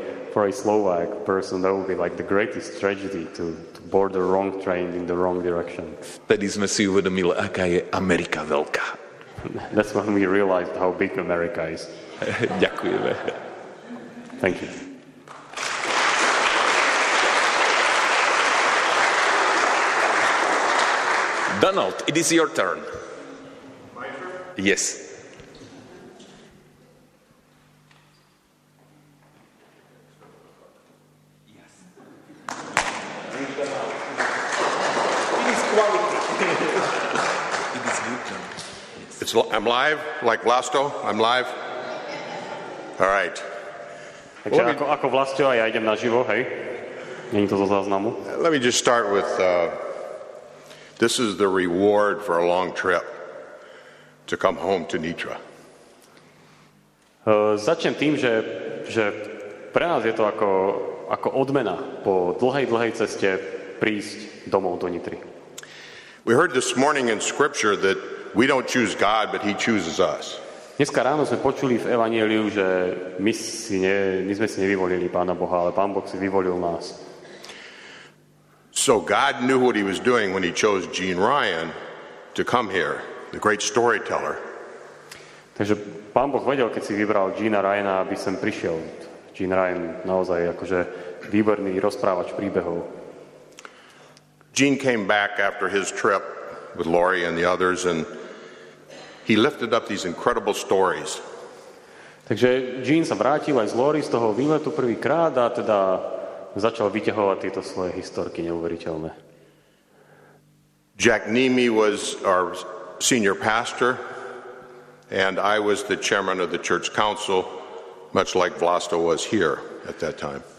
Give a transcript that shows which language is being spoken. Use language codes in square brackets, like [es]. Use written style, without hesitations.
[en] For a Slovak person that would be like the greatest tragedy to board the wrong train in the wrong direction. [sk] Vtedy sme si uvedomili, aká je Amerika veľká. [en] That's when we realized how big America is. [sk] Ďakujeme. [en] Thank you. Donald, it is your turn. Yes. Yes. It is quality. It is good. Yes. It's I'm live, like Vlasto, I'm live. All right. [sk] Takže ako Vlasto a ja idem na živo, hej. Není to zo záznamu. [en] Let me just start with this is the reward for a long trip. To come home to Nitra. [sk] Začnem tým, že pre nás je to ako odmena po dlhej ceste prísť domov do Nitry. [en] We heard this morning in scripture that we don't choose God, but he chooses us. [sk] Dneska ráno sme počuli v evanjeliu, že my sme si nevyvolili Pána Boha, ale Pán Boh si vyvolil nás. [en] So God knew what he was doing when he chose Gene Ryan to come here. The great storyteller. [sk] Takže Pán Boh vedel, keď si vybral Gina Ryana, aby sem prišiel. Gene Ryan naozaj akože výborný rozprávač príbehov. [en] Gene came back after his trip with Laurie and the others and he lifted up these incredible stories. [sk] Takže Gene sa vrátil aj s Laurie z toho výletu prvýkrát a teda začal vyťahovať tieto svoje historky neuveriteľné. [en] Jack Neamey was our senior pastor and I was the chairman of the church council much like Vlasto was here at that time.